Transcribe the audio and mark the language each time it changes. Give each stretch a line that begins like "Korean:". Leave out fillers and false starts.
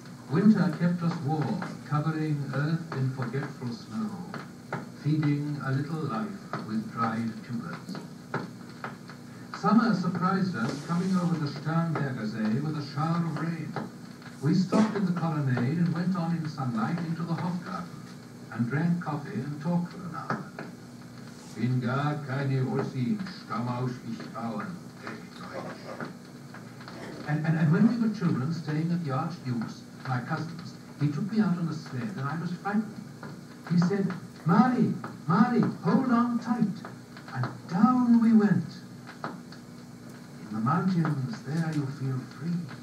English: Winter kept us warm, covering earth in forgetful snow, feeding a little life with dried tubers. Summer surprised us coming over the Starnberger See with a shower of rain. We stopped in the colonnade and went on in sunlight into the Hofgarten and drank coffee and talked for an hour.
German: Bin gar keine Russi, stamm aus Lichtauen, echt Deutsch.
English: And when we were children staying at the Archduke's, my cousin's, he took me out on a sled and I was frightened. He said, Mari, Mari, hold on tight. And down we went. The mountains, there you feel free.